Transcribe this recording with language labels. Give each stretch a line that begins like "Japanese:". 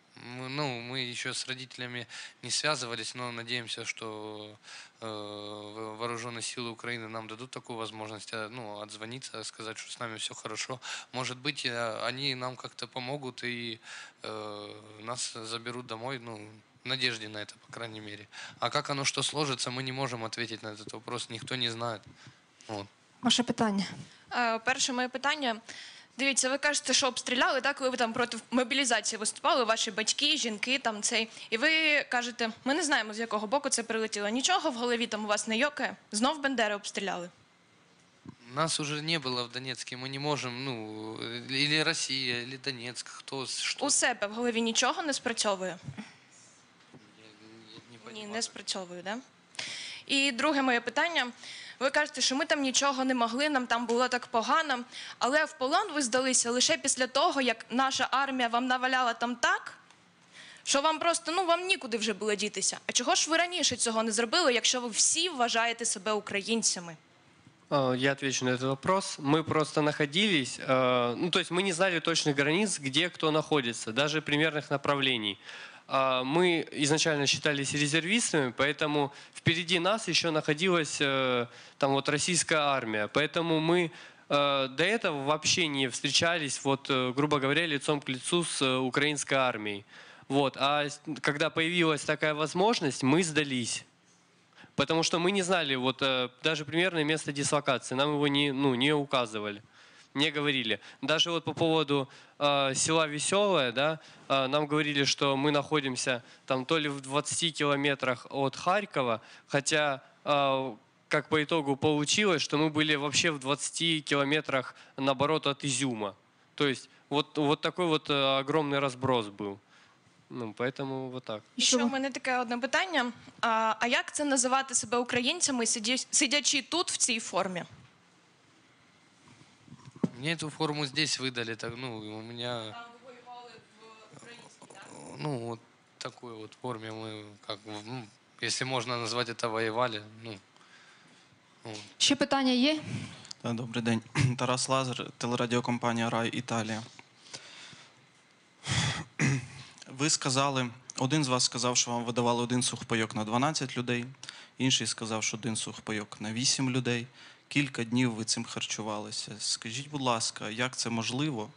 Russian: Мы еще с родителями не связывались, но надеемся, что вооруженные силы Украины нам дадут такую возможность, ну, отзвониться, сказать, что с нами все хорошо. Может быть, они нам как-то помогут и нас заберут домой, ну, в надежде на это, по крайней мере. А как оно что сложится, мы не можем ответить на этот вопрос, никто не знает. Вот.
Ukrainian: Ваше питание. Перше моє питання. Дивіться, ви кажете, що обстріляли, так? Ви там проти мобілізації виступали, ваші батьки, жінки, там цей. І ви кажете, ми не знаємо, з якого боку це прилетіло. Нічого в голові там у вас не йоке? Знов Бендери обстріляли? Нас уже не було в Донецьку, ми не можемо, ну, або Росія, або Донецьк, хтось, що. У себе в голові нічого не спрацьовує? Ні, не спрацьовує, да? І друге моє питання. Ви кажете, що ми там нічого не могли, нам там було так погано. Але в полон ви здалися лише після того, як наша армія вам наваляла там так, що вам просто, ну, вам нікуди вже було дітися. А чого ж ви раніше цього не зробили, якщо ви всі вважаєте себе українцями?
Russian: Я отвечу на этот вопрос. Мы просто находились, ну, то есть мы не знали точных границ, где кто находится, даже примерных направлений. Мы изначально считались резервистами, поэтому впереди нас еще находилась там вот российская армия. Поэтому мы до этого вообще не встречались, вот, грубо говоря, лицом к лицу с украинской армией. Вот. А когда появилась такая возможность, мы сдались. Потому что мы не знали вот, даже примерное место дислокации, нам его не указывали. Мне говорили. Даже вот по поводу села Веселое, да, нам говорили, что мы находимся там то ли в 20 километрах от Харькова, хотя, как по итогу получилось, что мы были вообще в 20 километрах, наоборот, от Изюма. То есть вот такой вот огромный разброс был. Ну, поэтому вот так. Еще у меня такое одно
Ukrainian: питання. А як це називати себе українцями, сидячи тут в цій формі?
Russian: Мне эту форму здесь выдали, так, ну, у меня, ну, вот такой вот форме мы, как, ну, если можно назвать это, воевали, ну. Еще
Ukrainian: питання є? Добрий день. Тарас Лазар, телерадіокомпанія «Рай Італія». Ви сказали, один з вас сказав, що вам видавали один сухпайок на 12 людей, інший сказав, що один сухпайок на 8 людей. Кілька днів ви цим харчувалися. Скажіть, будь ласка, як це можливо?